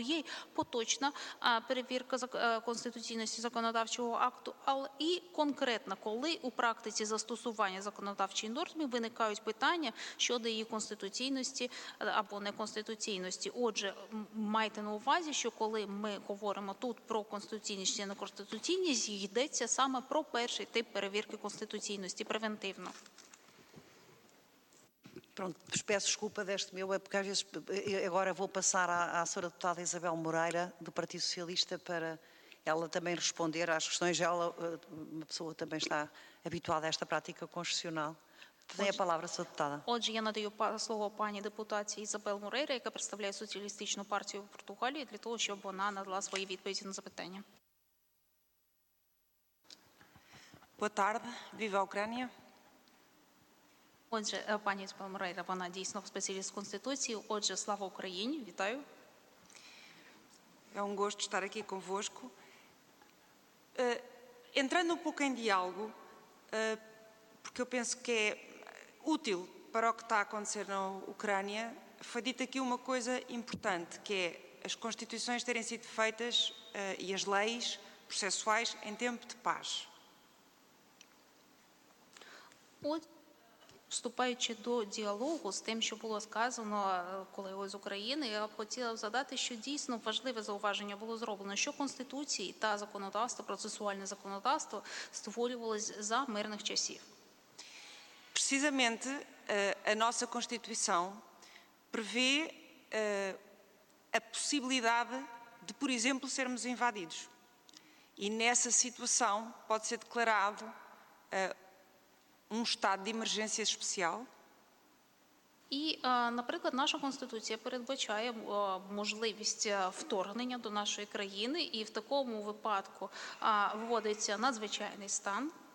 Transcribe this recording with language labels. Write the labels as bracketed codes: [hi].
[uk] Є поточна перевірка конституційності законодавчого акту, але і конкретно, коли у практиці застосування законодавчої норми виникають питання щодо її конституційності або неконституційності. Отже, майте на увазі, що коли ми говоримо тут про конституційність чи неконституційність, йдеться саме про перший тип перевірки конституційності превентивно. [pt] Pronto, peço desculpa deste meu, é porque às vezes agora vou passar à senhora deputada Isabel Moreira, do Partido Socialista, para ela também responder às questões. Ela, uma pessoa também está habituada a esta prática constitucional. Tem a palavra, senhora deputada. [uk] Отже, я надаю слово пані депутатці Ізабель Морейра, яка представляє Соціалістичну партію Португалії, для того, щоб вона надала свої відповіді на запитання. [pt] Boa tarde, viva a Ucrânia. [uk] Отже, пані Ізабель Морейра, вона дійсно спеціаліст Конституції. Отже, слава Україні, вітаю. [pt] É um gosto estar aqui convosco. Entrando um pouco em diálogo, porque eu penso que é útil para o que está a acontecer na Ucrânia, foi dita aqui uma coisa importante, que é as constituições terem sido feitas e as leis processuais em tempo de paz. [uk] Вступаючи до діалогу з тим, що було сказано колегою з України, я б хотіла задати, що дійсно важливе зауваження було зроблено, що Конституції та законодавство, процесуальне законодавство створювалось за мирних часів. [pt] Precisamente a nossa Constituição prevê a possibilidade de, por exemplo, sermos invadidos. E nessa situação pode ser declarado um estado de emergência especial. [uk] І, наприклад, наша Конституція передбачає можливість вторгнення до нашої країни, і в такому випадку вводиться надзвичайний стан.